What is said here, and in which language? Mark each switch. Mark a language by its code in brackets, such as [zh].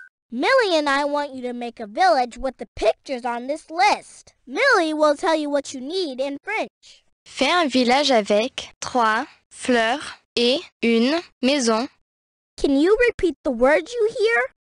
[en] Millie and I want you to make a village with the pictures on this list. Millie will tell you what you need in French. [fr] Fais un village avec trois fleurs et une maison. [en] Can you repeat the words you hear?